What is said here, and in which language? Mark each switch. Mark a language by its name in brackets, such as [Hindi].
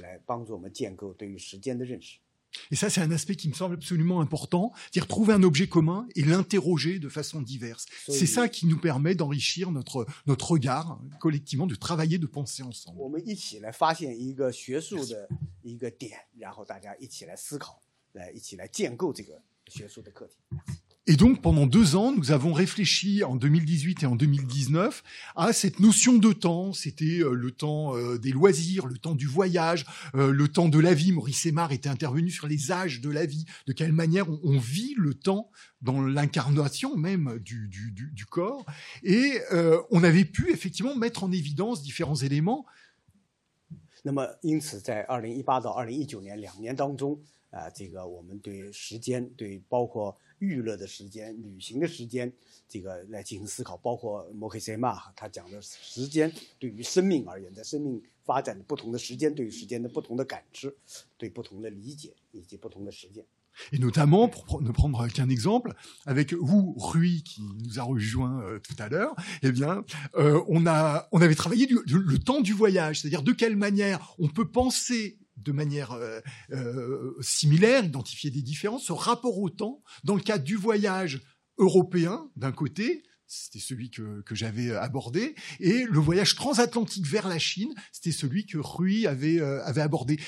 [Chinese] 因此呢，这个是双方一起来坐下来思考这个时间，不一定我们要进入它的原理啊、哲学的层面，而是更多在认识论的层面，对时间的理解、表征、感知啊，以及它的时间的不断的这种连续性的和非连续性的发展，来帮助我们建构对于时间的认识。 [French] Et ça, c'est un aspect qui me semble absolument important, c'est-à-dire trouver un objet commun et l'interroger de façon diverse. C'est ça qui nous permet d'enrichir notre regard collectivement, de travailler, de penser ensemble. On va ensemble trouver un point de recherche, et puis on va ensemble discuter. [Chinese] 来一起来建构这个学术的课题。 [French] Et donc, pendant deux ans, nous avons réfléchi en 2018 et en 2019 à cette notion de temps. C'était le temps des loisirs, le temps du voyage, le temps de la vie. Maurice Aymard était intervenu sur les âges de la vie. De quelle manière on vit le temps dans l'incarnation même du corps. Et on avait pu effectivement mettre en évidence différents éléments. Donc, en 2018-2019, [Chinese] 我们对时间、对包括娱乐的时间、旅行的时间，这个来进行思考。包括莫克塞马他讲的时间，对于生命而言，在生命发展的不同的时间，对于时间的不同的感知，对不同的理解以及不同的时间。 [French] Et notamment, pour ne prendre qu'un exemple, avec Wu Rui qui nous a rejoint tout à l'heure, eh bien, on avait travaillé le temps du voyage, c'est-à-dire de quelle manière on peut penser de manière similaire, identifier des différences, ce rapport au temps dans le cadre du voyage européen, d'un côté, c'était celui que j'avais abordé, et le voyage transatlantique vers la Chine, c'était celui que Rui avait abordé.